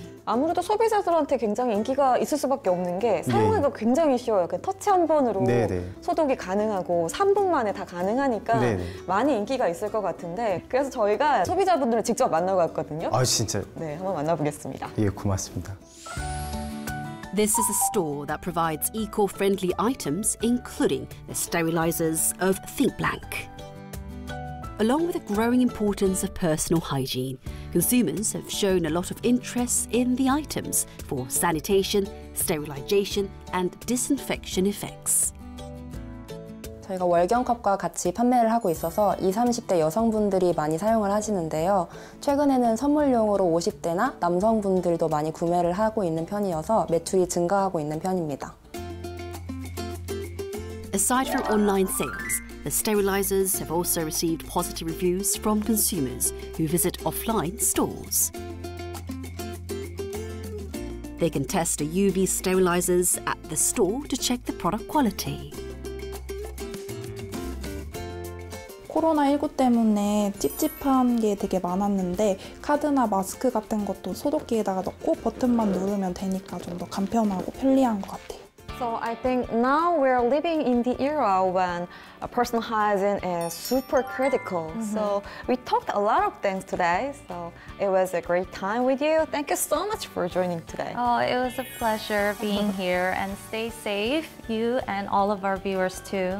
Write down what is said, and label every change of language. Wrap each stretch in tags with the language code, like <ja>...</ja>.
<ko>아무래도 소비자들한테 굉장히 인기가 있을 수밖에 없는 게 사용하기가 네. 굉장히 쉬워요. 그냥 터치 한 번으로 네네. 소독이 가능하고 3분 만에 다 가능하니까 네네. 많이 인기가 있을 것 같은데 그래서 저희가 소비자분들을 직접 만나고 왔거든요. 아, 진짜요? 네, 한번 만나보겠습니다. 예, 고맙습니다.</ko> <en>This is a store that provides eco-friendly items including the sterilizers of ThinkBlank. Along with the growing importance of personal hygiene, consumers have shown a lot of interest in the items for sanitation, sterilization, and disinfection effects.</en> <ko>저희가 월경컵과 같이 판매를 하고 있어서 20, 30대 여성분들이 많이 사용을 하시는데요. 최근에는 선물용으로 50대나 남성분들도 많이 구매를 하고 있는 편이어서 매출이 증가하고 있는 편입니다.</ko> <en>Aside from online sales, The sterilizers have also received positive reviews from consumers who visit offline stores. They can test the UV sterilizers at the store to check the product quality.</en> <ko>코로나19 때문에 찝찝한 게 되게 많았는데 카드나 마스크 같은 것도 소독기에다가 넣고 버튼만 누르면 되니까 좀 더 간편하고 편리한 것 같아요.</ko> <en>So I think now we're living in the era when personal hygiene is super critical. Mm-hmm. So we talked a lot of things today. So it was a great time with you. Thank you so much for joining today. Oh, it was a pleasure being here. And stay safe, you and all of our viewers too.</en>